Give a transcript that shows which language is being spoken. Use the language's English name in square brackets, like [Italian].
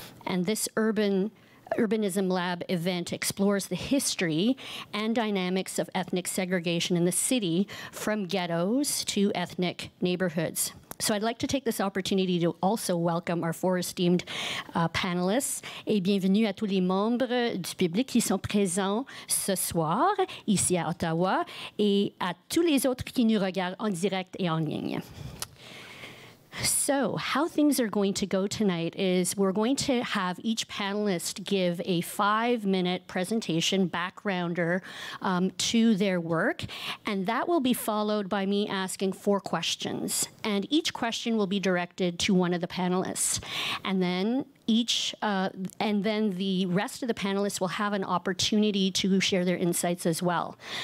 [English] And this Urbanism Lab event explores the history and dynamics of ethnic segregation in the city from ghettos to ethnic neighborhoods. So I'd like to take this opportunity to also welcome our four esteemed panelists. [French] Et bienvenue à tous les membres du public qui sont présents ce soir ici à Ottawa et à tous les autres qui nous regardent en direct et en ligne. [English] So, how things are going to go tonight is we're going to have each panelist give a 5-minute presentation backgrounder to their work, and that will be followed by me asking 4 questions. And each question will be directed to one of the panelists. And then the rest of the panelists will have an opportunity to share their insights as well.